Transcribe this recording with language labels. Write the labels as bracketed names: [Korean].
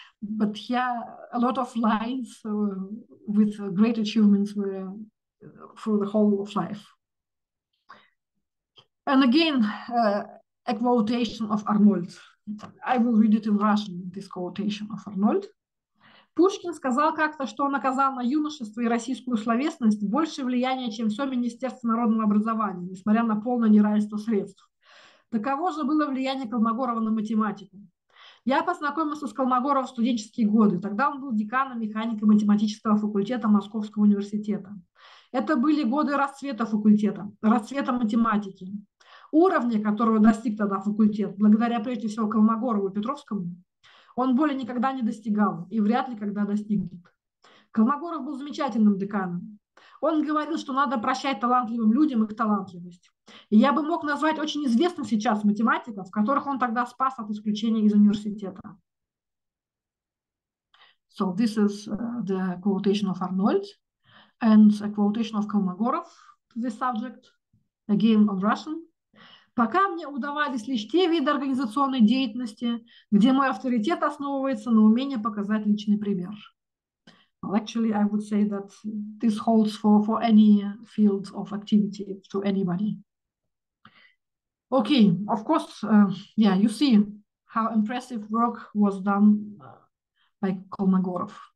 [English] But yeah, a lot of lines with great achievements were for the whole of life. And again, a quotation of Arnold. I will read it in Russian, this quotation of Arnold. [Russian] Пушкин сказал как-то, что он оказал на юношество и российскую словесность больше влияния, чем все Министерство народного образования, несмотря на полное неравенство средств. Таково же было влияние Колмогорова на математику. Я познакомился с Колмогоровым в студенческие годы. Тогда он был деканом механико-математического факультета Московского университета. Это были годы расцвета факультета, расцвета математики. Уровня, которого достиг тогда факультет, благодаря прежде всего Колмогорову и Петровскому, он более никогда не достигал и вряд ли когда достигнет. Колмогоров был замечательным деканом. Он говорил, что надо прощать талантливым людям их талантливость. И я бы мог назвать очень известным сейчас математиков, которых он тогда спас от исключения из университета. [English] So this is the quotation of Arnold and a quotation of Kolmogorov to this subject, again on Russian. [Russian] Пока мне удавались лишь те виды организационной деятельности, где мой авторитет основывается на умении показать личный пример. [English] Well, actually, I would say that this holds for any field of activity to anybody. Okay, of course, you see how impressive work was done by Kolmogorov.